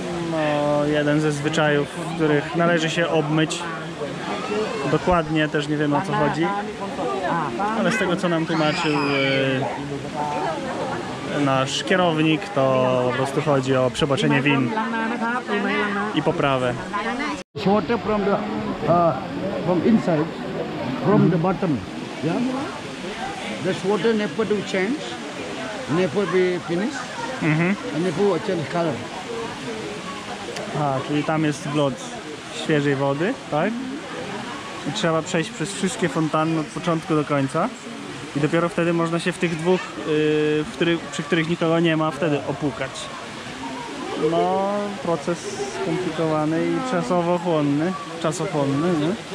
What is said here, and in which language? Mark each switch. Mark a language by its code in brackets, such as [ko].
[pl] No, jeden ze zwyczajów, w których należy się obmyć. Dokładnie też nie wiem, o co chodzi. Ale z tego, co nam tłumaczył nasz kierownik, to po prostu chodzi o przebaczenie win i poprawę. [en] Water from the from inside, from the bottom. Yeah. The water never do change, never be finished, and never change color. [pl] A, czyli tam jest wlot świeżej wody, tak? I trzeba przejść przez wszystkie fontanny od początku do końca. I dopiero wtedy można się w tych dwóch, przy których nikogo nie ma, wtedy opłukać. No, proces skomplikowany i czasochłonny, nie?